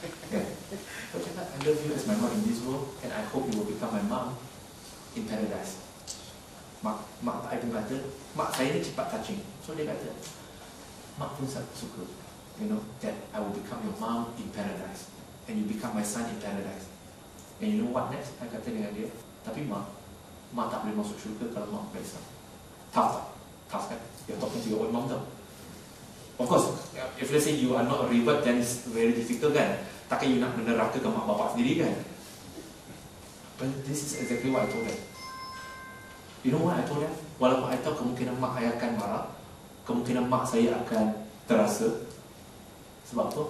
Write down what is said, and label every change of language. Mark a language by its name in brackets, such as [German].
[English] Saya cakap, I love you as my mom in this world. And I hope you will become my mom in paradise. [Malay] Mak tak ada kata, Mak saya ni cepat touching. So dia kata, Mak pun suka, you know, that I will become your mom in paradise. [English] And you become my son in paradise. And you know what next? [Malay] I kata dengan dia, tapi Mak tak boleh masuk syurga kalau Mak berisa. [English] Tough tak? Tough kan? You're talking to your own mom tau. Of course, if let's say you are not a revert, then it's very difficult kan? Takkan you nak meneraka ke Mak Bapak sendiri kan? But this is exactly what I told her. You know what I told her? [Malay] Walaupun I tahu kemungkinan Mak saya akan marah, kemungkinan Mak saya akan terasa. Sebab apa?